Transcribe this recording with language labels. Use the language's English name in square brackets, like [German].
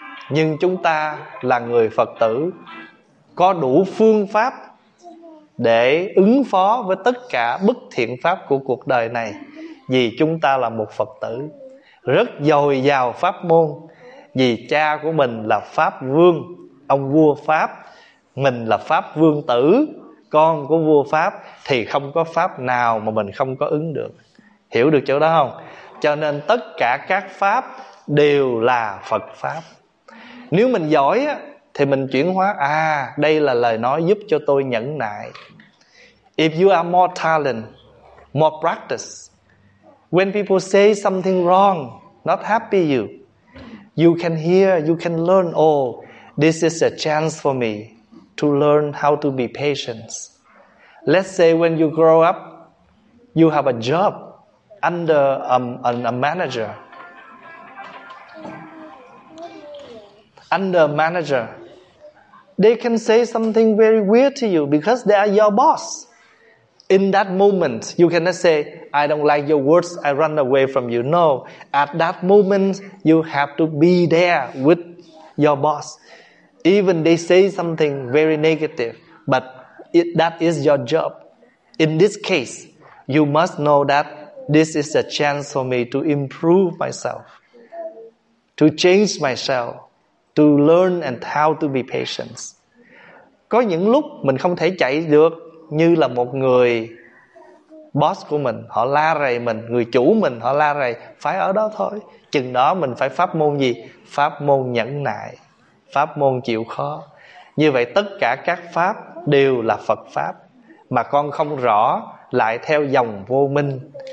[Vietnamese] Nhưng chúng ta là người Phật tử có đủ phương pháp để ứng phó với tất cả bất thiện pháp của cuộc đời này, vì chúng ta là một Phật tử rất dồi dào pháp môn, vì cha của mình là Pháp Vương, ông vua Pháp, mình là Pháp Vương tử, con của vua Pháp, thì không có pháp nào mà mình không có ứng được. Hiểu được chỗ đó không? Cho nên tất cả các pháp đều là Phật pháp. Nếu mình giỏi á, thì mình chuyển hóa, à đây là lời nói giúp cho tôi nhẫn nại. [English] If you are more talent, more practice, when people say something wrong, not happy you, you can hear, you can learn, oh, this is a chance for me to learn how to be patient. Let's say when you grow up, you have a job under a manager. Under a manager, they can say something very weird to you because they are your boss. In that moment, you cannot say, I don't like your words, I run away from you. No, at that moment, you have to be there with your boss. Even they say something very negative, but that is your job. In this case, you must know that this is a chance for me to improve myself, to change myself, to learn and how to be patient. [Vietnamese] Có những lúc mình không thể chạy được, như là một người boss của mình, họ la rầy mình, người chủ mình họ la rầy, phải ở đó thôi. Chừng đó mình phải pháp môn gì? Pháp môn nhẫn nại, pháp môn chịu khó. Như vậy tất cả các pháp đều là Phật pháp, mà con không rõ lại theo dòng vô minh.